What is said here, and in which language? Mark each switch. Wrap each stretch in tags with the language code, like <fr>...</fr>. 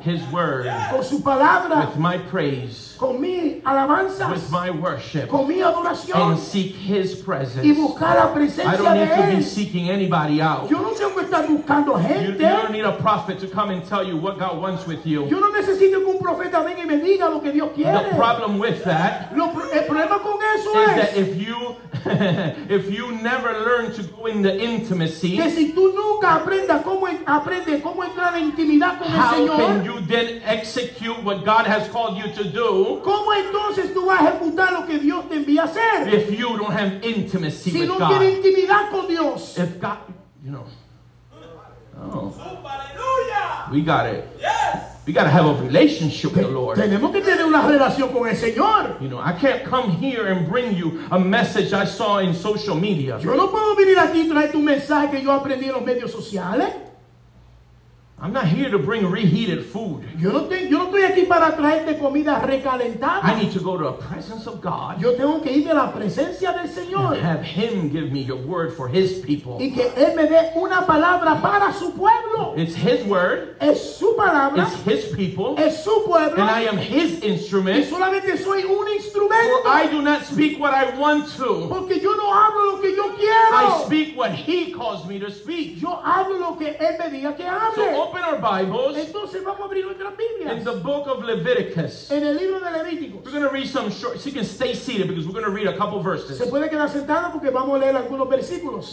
<en>His word, yes.</en> <es>Con su palabra,</es> <en>with my praise,</en> <es>con mi alabanza,</es> <en>with my worship,</en> <es>con mi adoración,</es> <en>and seek His presence.</en> <es>Y buscar la presencia</es> <en>I don't need</en> <es>de</es> <en>to</en> <es>él.</es> <en>Be seeking anybody out.</en> <es>Yo no tengo que estar buscando gente.</es> <en>You don't need a prophet to come and tell you what God wants with you.</en> <es>Yo no necesito que un profeta venga y me diga lo que Dios quiere.</es> <en>The problem with that</en> <es>el problema con eso</es> <en>is</en> <es>es</es> <en>that if you if you never learn to go in the intimacy,</en> <es>que si tú nunca aprendes cómo entrar en intimidad con</es> <en>how can you then execute what God has called you to do?</en> <es>¿Cómo entonces tú vas a ejecutar lo que Dios te envía a hacer?</es> <en>If you don't have intimacy</en> <es>si</es> <en>with</en> <es>no</es> <en>God.</en> <es>Si no tienes intimidad con Dios.</es> <en>If God, you know. Oh. Hallelujah. We got it. Yes. We got to have a relationship with the Lord.</en> <es>Tenemos que tener una relación con el Señor.</es> <en>You know, I can't come here and bring you a message I saw in social media.</en> <es>Yo no puedo venir aquí y traer tu mensaje que yo aprendí en los medios sociales.</es> <en>I'm not here to bring reheated food.</en> <es>Yo no estoy aquí para traerte comida recalentada.</es> <en>I need to go to the presence of God.</en> <es>Yo tengo que ir a la presencia del Señor.</es> <en>And have Him give me your word for His people.</en> <es>Y que Él me dé una palabra para su pueblo.</es> <en>It's His word.</en> <es>Es su palabra.</es> <en>It's His people.</en> <es>Es su pueblo.</es> <en>And I am His instrument.</en> <es>Y solamente soy un instrumento.</es> <en>For I do not speak what I want to.</en> <es>Porque yo no hablo lo que yo quiero.</es> <en>I speak what He calls me to speak.</en> <es>Yo hablo lo que Él me diga que hable.</es> <en>So open our Bibles.</en> <es>Entonces, vamos a abrir nuestras Biblias.</es> <en>In the book of Leviticus.</en> <es>En el libro de Levíticos.</es> <en>We're going to read some short. So you can stay seated because we're going to read a couple verses.</en> <es>Se puede quedar sentado porque vamos a leer algunos versículos.</es>